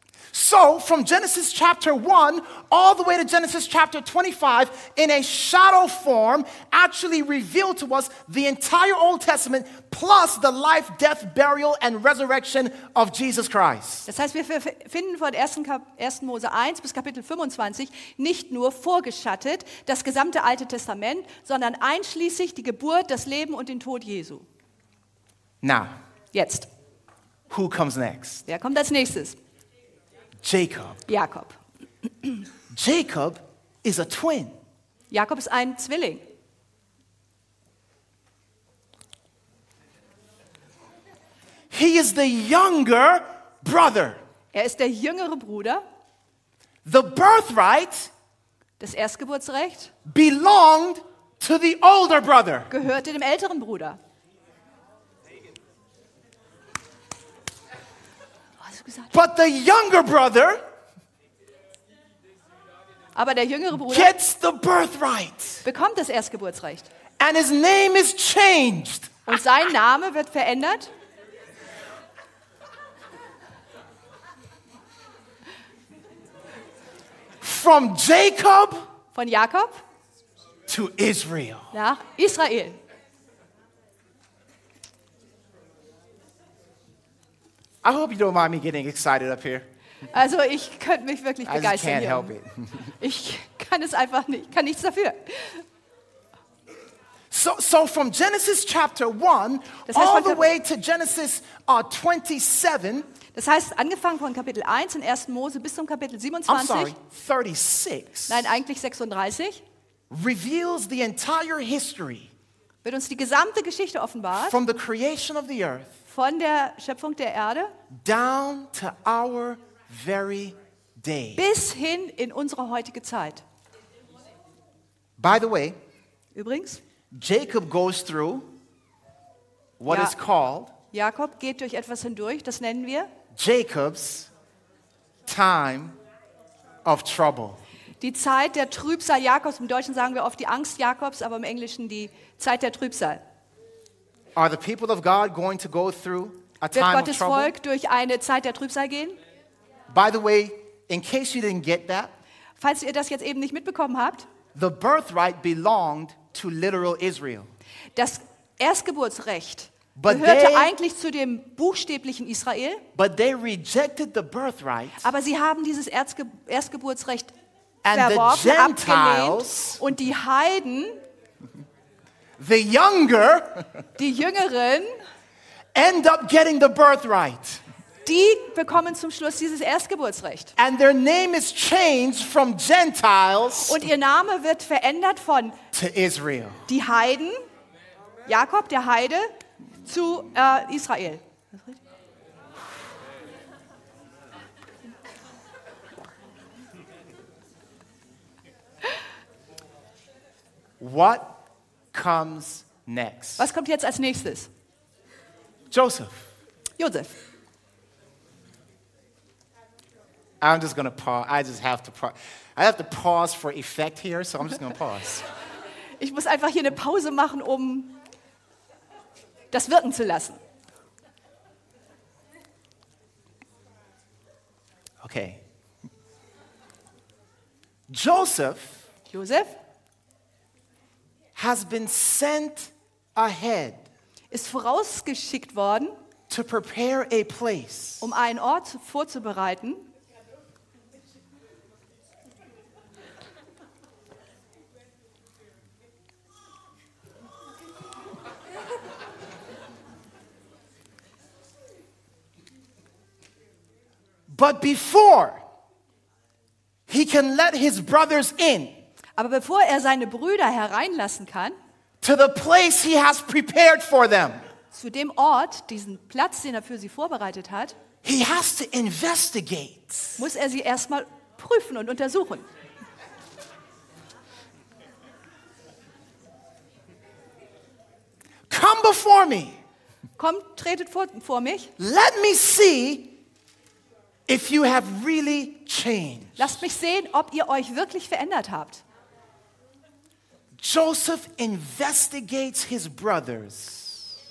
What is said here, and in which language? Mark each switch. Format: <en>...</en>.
<en>So from Genesis chapter 1 all the way to Genesis chapter 25 in a shadow form actually revealed to us the entire Old Testament plus the life, death, burial and resurrection of Jesus Christ.</en> <de>Das heißt, wir finden von 1. Mose 1 bis Kapitel 25 nicht nur vorgeschattet das gesamte Alte Testament, sondern einschließlich die Geburt, das Leben und den Tod Jesu.</de> <en>Now,</en> <de>jetzt.</de> <en>Who comes next?</en> <de>Wer kommt als nächstes?</de> <en>Jacob.</en> <de>Jakob.</de> <en>Jacob is a twin.</en> <de>Jakob ist ein Zwilling. Ja.</de> <en>He is the younger brother.</en> <de>Er ist der jüngere Bruder.</de> <en>The birthright,</en> <de>das Erstgeburtsrecht,</de> <en>belonged to the older brother.</en> <de>Gehörte dem älteren Bruder.</de> <en>But the younger brother,</en> <de>aber der jüngere Bruder,</de> <en>gets the birthright,</en> <de>bekommt das Erstgeburtsrecht.</de> <en>And his name is changed.</en> <de>Und sein Name wird verändert.</de> <en>From Jacob,</en> <de>von Jakob,</de> <en>to Israel,</en> <de>nach Israel.</de> <en>I hope you don't mind me getting excited up here.</en> <de>Also ich könnte mich wirklich begeistern.</de> <en>I just can't help it.</en> <de>Ich kann es einfach nicht, kann nichts dafür.</de> <en>So from Genesis chapter 1,</en> <de>das heißt,</de> <en>all the way to Genesis 27.</en> <de>Das heißt, angefangen von Kapitel 1 in 1. Mose bis zum Kapitel 27.</de> <en>I'm sorry, 36.</en> <de>Nein, eigentlich 36.</de> <en>Reveals the entire history.</en> <de>Wird uns die gesamte Geschichte offenbart.</de> <en>From the creation of the earth.</en> <de>Von der Schöpfung der Erde.</de> <en>Down to our very day.</en> <de>Bis hin in unsere heutige Zeit.</de> <en>By the way.</en> <de>Übrigens.</de> <en>Jacob goes through what is called.</en> <de>Jakob geht durch etwas hindurch, das nennen wir</de> <en>Jacob's time of trouble.</en> <de>Die Zeit der Trübsal Jakobs. Im Deutschen sagen wir oft die Angst Jakobs, aber im Englischen die Zeit der Trübsal.</de> <en>Are the people of God going to go through a time of trouble?</en> <de>Wird Gottes Volk durch eine Zeit der Trübsal gehen?</de> <en>By the way, in case you didn't get that,</en> <de>falls ihr das jetzt eben nicht mitbekommen habt,</de> <en>the birthright belonged to literal Israel.</en> <de>Das Erstgeburtsrecht gehörte eigentlich zu dem buchstäblichen Israel.</de> <en>But they rejected the birthright.</en> <de>Aber sie haben dieses Erstgeburtsrecht verworfen, abgelehnt. Und die Heiden,</de> <en>the younger,</en> <de>die Jüngeren,</de> <en>end up getting the birthright.</en> <de>Die bekommen zum Schluss dieses Erstgeburtsrecht.</de> <en>And their name is changed from Gentiles.</en> <de>Und ihr Name wird verändert von</de> <en>to Israel.</en> <de>Die Heiden, Jakob, der Heide, zu Israel.</de> <en>What comes next?</en> <de>Was kommt jetzt als nächstes?</de> <en>Joseph.</en> <de>Joseph.</de> <en>I'm just going to pause. I just have to pause. I have to pause for effect here, so I'm just going to pause.</en> <de>Ich muss einfach hier eine Pause machen, um das wirken zu lassen.</de> <en>Okay. Joseph. Joseph has been sent ahead.</en> <de>Ist vorausgeschickt worden.</de> <en>To prepare a place.</en> <de>Um einen Ort vorzubereiten.</de> <en>But before he can let his brothers in,</en> <de>aber bevor er seine Brüder hereinlassen kann,</de> <en>to the place he has prepared for them,</en> <de>zu dem Ort, diesen Platz, den er für sie vorbereitet hat,</de> <en>he has to investigate,</en> <de>muss er sie erstmal prüfen und untersuchen.</de> <en>Come before me.</en> <de>Kommt, tretet vor mich.</de> <en>Let me see if you have really changed.</en> <de>Lasst mich sehen, ob ihr euch wirklich verändert habt.</de> <en>Joseph investigates his brothers.</en>